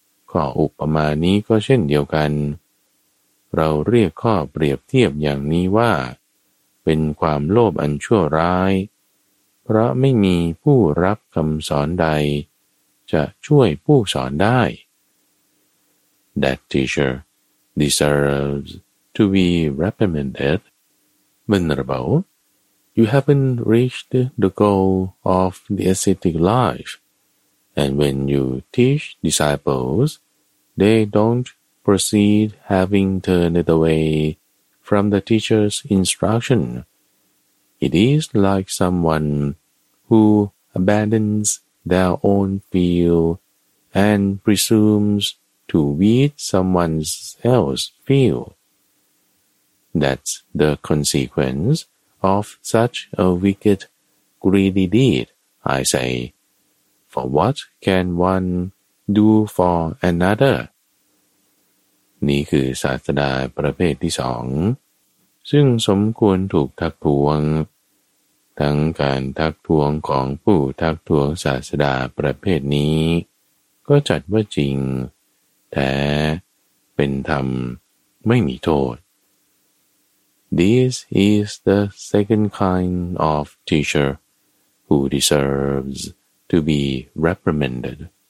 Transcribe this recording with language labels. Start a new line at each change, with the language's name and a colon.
Thai: ข้ออุปมานี้ก็เช่นเดียวกันเราเรียกข้อเปรียบเทียบอย่างนี้ว่าเป็นความโลภอันชั่วร้ายเพราะไม่มีผู้รับคำสอนใดจะช่วยผู้สอนได้
English: That teacher deserves to be reprimanded. Venerable, you haven't reached the goal of the ascetic life, and when you teach disciples, they don't proceed having turned away from the teacher's instruction. It is like someone who abandons their own field and presumes to weed someone else's field. That's the consequence of such a wicked, greedy deed, I say. For what can one do for another?
Thai: นี่คือศาสดาประเภทที่สองซึ่งสมควรถูกทักท้วงทั้งการทักท้วงของผู้ทักท้วงศาสดาประเภทนี้ก็จัดว่าจริงแต่เป็นธรรมไม่มีโทษ
English: This is the second kind of teacher who deserves to be reprimanded.